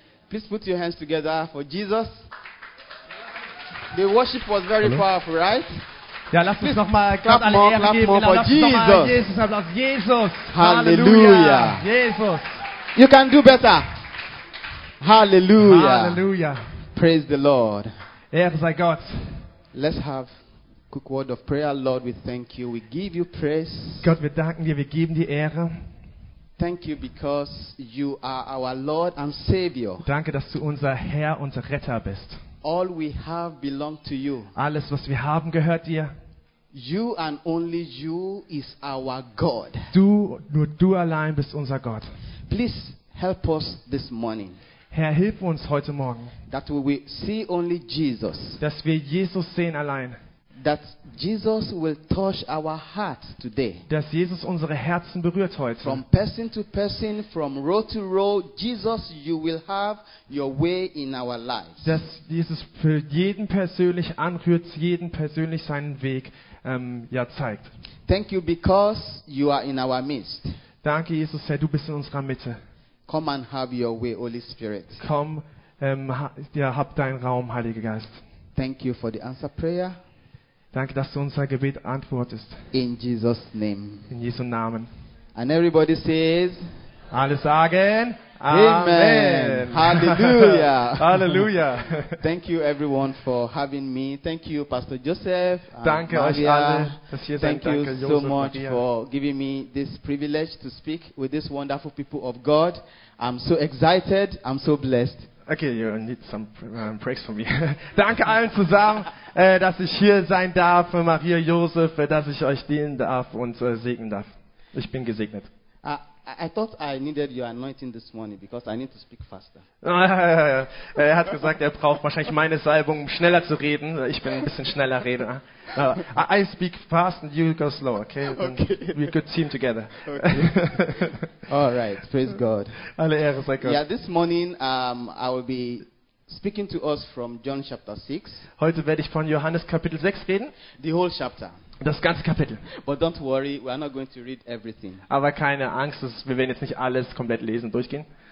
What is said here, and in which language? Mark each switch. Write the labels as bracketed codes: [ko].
[en] Please put your hands together for Jesus. The worship was very powerful, right? [de] Ja, lasst uns noch mal Gott alle Ehre geben. [en] For Jesus. [de] Jesus, Applaus. Jesus. Hallelujah. Jesus. [en] You can do better. Hallelujah. Hallelujah. Praise the Lord. [de] Ehre sei Gott. [en] Let's have a quick word of prayer. Lord, we thank you. We give you praise. [de] Gott, wir danken dir. Wir geben dir Ehre. [en] Thank you because you are our Lord and Savior. [de] Danke, dass du unser Herr und Retter bist. [en] All we have belong to you. [de] Alles, was wir haben, gehört dir. [en] You and only you is our God. [de] Du, nur du allein bist unser Gott. [en] Please help us this morning. [de] Herr, hilf uns heute Morgen. [en] That we will see only Jesus. [de] Dass wir Jesus sehen allein. [en] That Jesus will touch our hearts today. [de] Dass Jesus unsere Herzen berührt heute. [en] From person to person, from row to row, Jesus, you will have your way in our lives. [de] Dass Jesus für jeden persönlich anrührt, jeden persönlich seinen Weg zeigt. [en] Thank you because you are in our midst. [de] Danke Jesus, Herr, du bist in unserer Mitte. [en] Come and have your way, Holy Spirit. [de] Komm, hab deinen Raum, Heiliger Geist. [en] Thank you for the answer prayer. [de] Danke, dass du unser Gebet antwortest. [en] In Jesus name. [de] In Jesu Namen. [en] And everybody says. [de] Alle sagen. Amen. Amen. Hallelujah. Hallelujah. [en] Thank you everyone for having me. Thank you Pastor Joseph. [de] Danke Maria. Euch alle, dass ihr seid. [en] Thank you Joseph so much Maria. For giving me this privilege to speak with these wonderful people of God. I'm so excited. I'm so blessed. Okay, you need some breaks for me. [de] Danke allen zusammen, dass ich hier sein darf, Maria Josef, dass ich euch dienen darf und segnen darf. Ich bin gesegnet. [en] I thought I needed your anointing this morning because I need to speak faster. [de] Er hat gesagt, er braucht wahrscheinlich meine Salbung, um schneller zu reden. Ich bin ein bisschen schneller Redner. [en] I speak fast and you go slow, okay? Okay. We're a good team together. Okay. All right, praise God. [de] Alle Ehre sei Gott. [en] Yeah, this morning I will be speaking to us from John chapter 6. [de] Heute werde ich von Johannes Kapitel 6 reden. [en] The whole chapter. [de] Das ganze Kapitel. [en] But don't worry, we are not going to read everything. [de] Aber keine Angst, wir werden jetzt nicht alles komplett lesen, durchgehen.